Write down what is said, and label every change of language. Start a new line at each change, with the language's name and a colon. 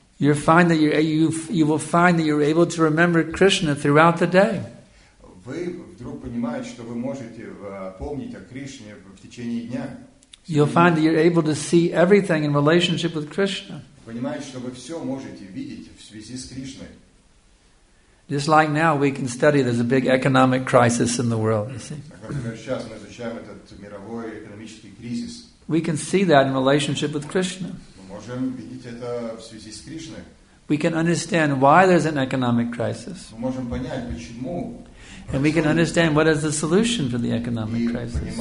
English: You will find that you're able to remember Krishna throughout the day.
Russian: Вы вдруг понимаете, что вы можете помнить о Кришне в течение дня.
English: You'll find that you're able to see everything in relationship with Krishna.
Russian: Понимаете, что вы все можете видеть в связи с Кришной.
English: Just like now, we can study. There's a big economic crisis in the world. You see.
Russian: Сейчас мы изучаем этот мировой экономический кризис.
English: We can see that in relationship with Krishna.
Russian: Мы можем видеть это в связи с Кришной.
English: We can understand why there's an economic crisis.
Russian: Мы можем понять, почему.
English: And we can understand what is the solution for the economic crisis.